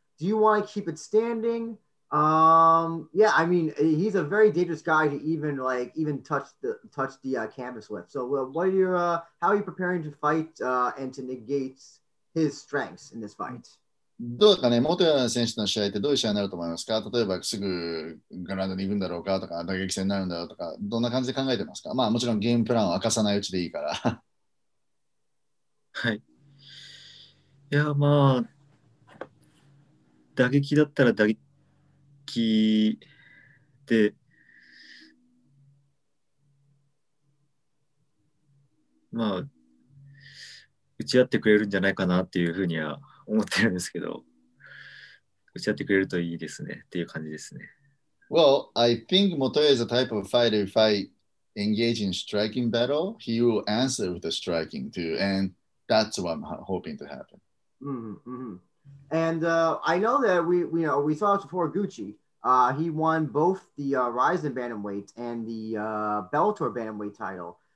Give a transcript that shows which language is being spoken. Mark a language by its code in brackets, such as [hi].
[en] Do you want to keep it standing? Yeah, I mean, he's a very dangerous guy to even like even touch the canvas with. So, how are you preparing to fight and to negate his strengths in this fight? [ja] どうかね、元選手の試合ってどういう試合になると思いますか？例えばすぐグラウンドに行くんだろうかとか、打撃戦になるんだろうとか、どんな感じで考えてますか？まあもちろんゲームプランを明かさないうちでいいから。はい。いやまあ。打撃だったら打撃で、まあ、打ち合ってくれるんじゃないかなっていうふうには思ってるんですけど、打ち合ってくれるといいですねっていう感じですね。 [en] Well, I think Motoya is a type of fighter. If I engage in striking battle, he will answer with the striking too. And that's what I'm hoping to happen. Mm-hmm, mm-hmm. And I know that we saw this before Gucci. He won both the Ryzen Bantamweight and the Bellator Bantamweight title.